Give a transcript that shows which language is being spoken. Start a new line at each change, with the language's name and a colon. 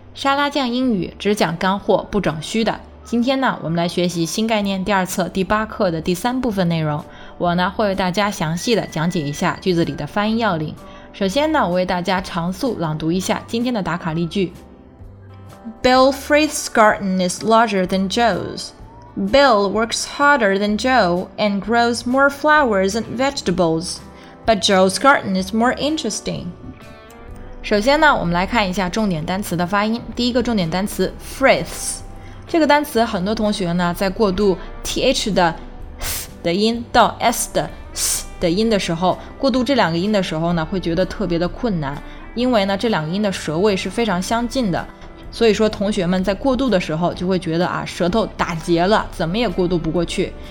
Chinese: 沙拉酱英语只讲干货，不整虚的。今天呢，我们来学习新概念第二册第八课的第三部分内容。我呢会为大家详细的讲解一下句子里的发音要领。首先呢，我为大家长速朗读一下今天的打卡例句。
English: Bill Frith's garden is larger than Joe's. Bill works harder than Joe and grows more flowers and vegetables. But Joe's garden is more interesting.
Chinese: 首先呢，我们来看一下重点单词的发音。第一个重点单词 Frith's， 这个单词很多同学呢在过渡 th 的 th 的音到 s 的 s 的音的时候，过渡这两个音的时候呢会觉得特别的困难，因为呢这两个音的舌位是非常相近的，所以说同学们在过渡的时候就会觉得啊舌头打结了，怎么也过渡不过去。